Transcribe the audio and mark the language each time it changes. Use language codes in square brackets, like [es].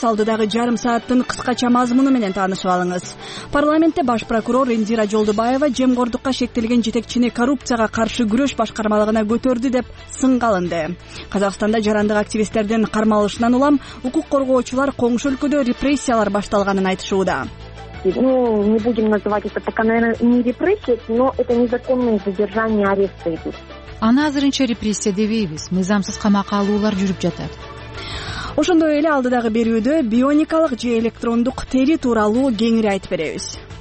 [ky] Алдыдагы жарым сааттын кыскача мазмуну менен таанышып алыңыз. Парламентте баш прокурор Индира Жолдубаева жемкордукка шектелген жетекчини коррупцияга каршы күрөш башкармалыгына көтөрдү деп сынга алынды. Казакстанда жарандык активисттердин кармалышынан улам укук коргоочулар коңшу өлкөдө репрессиялар башталганын айтышууда. [ru] Ну, не будем называть это пока, наверное, не репрессии, но это незаконные задержания, аресты идут. [ky] Аны азырынча репрессия дебейбиз, мыйзамсыз камакка алуулар жүрүп жатат. Ошондой эле алдыдагы берүүдө бионикалык же электрондук тери тууралуу кеңири айтып беребиз.